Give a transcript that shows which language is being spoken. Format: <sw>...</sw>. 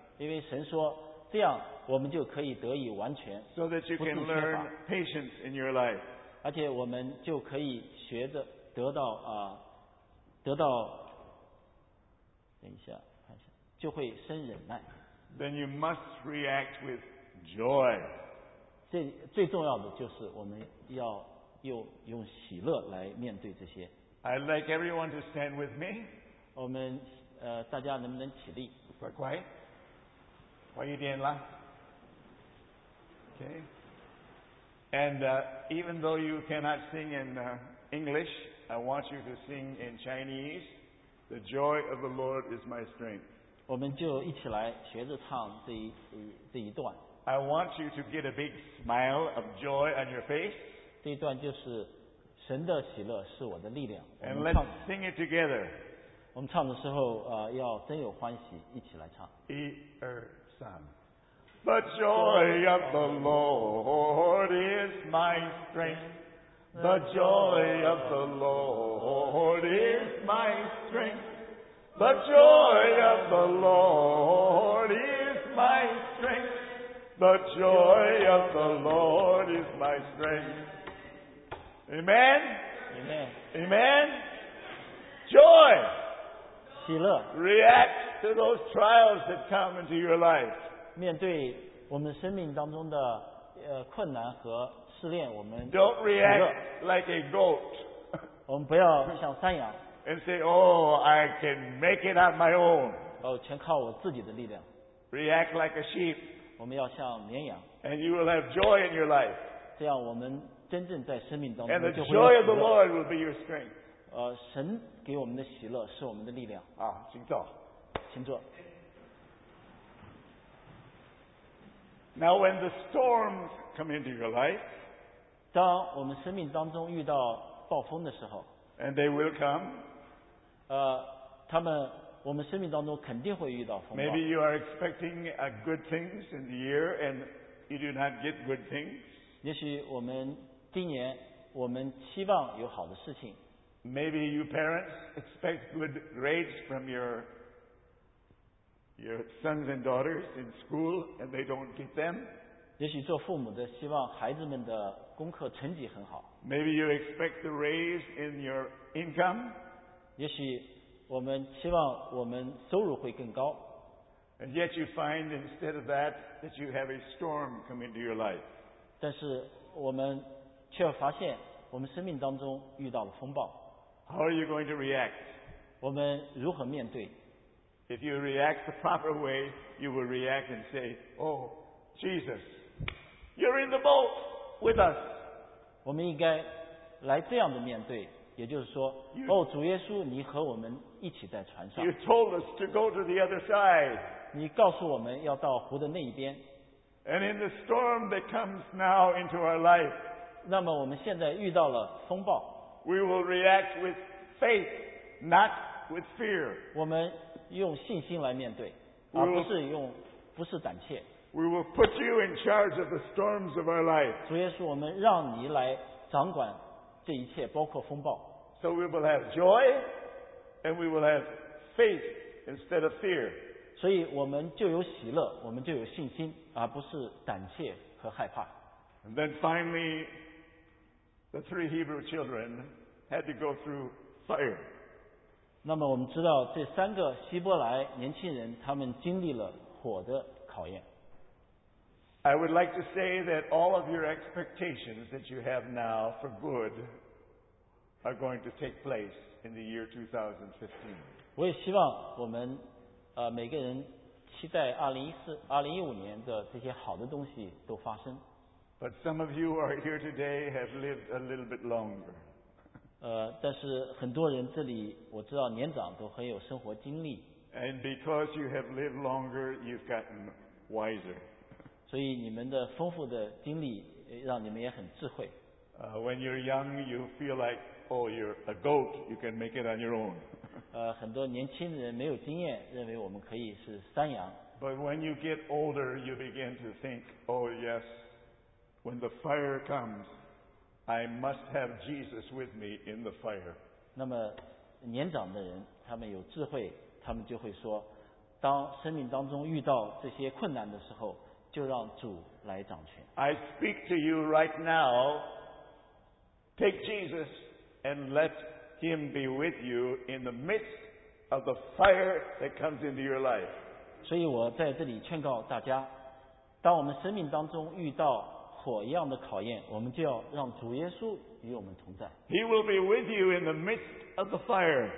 <zh>因为神说这样我们就可以得以完全。</zh> <en>So that you can learn patience in your life.</en> <zh>而且我们就可以学着得到得到等一下看一下就会生忍耐。</zh> <en>Then you must react with joy.</en> <zh>最重要的就是我们要用喜乐来面对这些。</zh> <en>I'd like everyone to stand with me.</en> <zh>我们大家能不能起立？快快，快一点啦。Okay.</zh> <en>And even though you cannot sing in English, I want you to sing in Chinese. The joy of the Lord is my strength.</en> <zh>我们就一起来学着唱这一段。</zh> <en>I want you to get a big smile of joy on your face.</en> <zh>这一段就是神的喜乐是我的力量。</zh> <en>And let's sing it together.</en> <zh>我们唱的时候要真有欢喜一起来唱。一二三。</zh> <en>The joy of the Lord is my strength. The joy of the Lord is my strength. The joy of the Lord is my strength. The joy of the Lord is my strength. Amen? Amen. Amen? Joy!</en> <zh>喜乐</zh> <en>React to those trials that come into your life.</en> <zh>面对我们生命当中的困难和试炼，我们</zh> <en>Don't react like a goat.</en> <zh>我们不要像山羊。</zh> <en>And say, "Oh, I can make it on my own."</en> <zh>哦，全靠我自己的力量。</zh> <en>React like a sheep.</en> <zh>我们要像绵羊。</zh> <en>And you will have joy in your life.</en> <zh>这样，我们真正在生命当中</zh> <en>And the joy of the Lord will be your strength.</en> <zh>神给我们的喜乐是我们的力量。啊，请坐。请坐。</zh> <en>Now, when the storms come into your life,</en> <zh>当我们生命当中遇到暴风的时候</zh> <en>and they will come,</en> <zh>他们我们生命当中肯定会遇到风暴</zh> <en>Maybe you are expecting a good things in the year and you do not get good things.</en> <zh>也许我们今年我们期望有好的事情</zh> <en>Maybe you parents expect good grades from your sons and daughters in school and they don't get them.</en> <zh>也许做父母的希望孩子们的功课成绩很好。</zh> <en>Maybe you expect the raise in your income.</en> <zh>也许我们希望我们收入会更高。</zh> <en>And yet you find instead of that that you have a storm come into your life.</en> <zh>但是我们却发现我们生命当中遇到了风暴。</zh> <en>How are you going to react?</en> <zh>我们如何面对？</zh> <en>If you react the proper way, you will react and say, Oh, Jesus, you're in the boat with us.</en> <zh>我们应该来这样的面对，也就是说，哦，主耶稣，你和我们一起在船上。</zh> <en>You told us to go to the other side.</en> <zh>你告诉我们要到湖的那一边。</zh> <en>And in the storm that comes now into our life,</en> <zh>那么我们现在遇到了风暴。</zh> <en>We will react with faith, not with fear.</en> <zh>我们用信心来面对，而不是胆怯。</zh> <en>We will put you in charge of the storms of our life.</en> <zh>主耶稣，我们让你来掌管这一切，包括风暴。</zh> <en>So we will have joy, and we will have faith instead of fear.</en> <zh>所以我们就有喜乐，我们就有信心，而不是胆怯和害怕。</zh> <en>And then finally, the three Hebrew children had to go through fire.</en> <zh>那么我们知道这三个希伯来年轻人他们经历了火的考验。</zh> <en>I would like to say that all of your expectations that you have now for good are going to take place in the year 2015.</en> <zh>我也希望我们每个人期待2015年的这些好的东西都发生。</zh> <en>But some of you are here today have lived a little bit longer.</en> <zh>但是很多人这里我知道年长都很有生活经历。</zh> <en>And because you have lived longer, you've gotten wiser.</en> <zh>所以你们的丰富的经历让你们也很智慧。</zh> <en>When you're young, you feel like, oh, you're a goat, you can make it on your own.</en> <zh>很多年轻人没有经验，认为我们可以是山羊。</zh> <en>But when you get older, you begin to think, oh yes, when the fire comes, I must have Jesus with me in the fire.</en> <zh>那么年长的人，他们有智慧，他们就会说，当生命当中遇到这些困难的时候，就让主来掌权。</zh> <en>I speak to you right now, take Jesus and let Him be with you in the midst of the fire that comes into your life.</en> <zh>所以我在这里劝告大家，当我们生命当中遇到火一样的考验，我们就要让主耶稣与我们同在。</zh> <en>He will be with you in the midst of the fire.</en>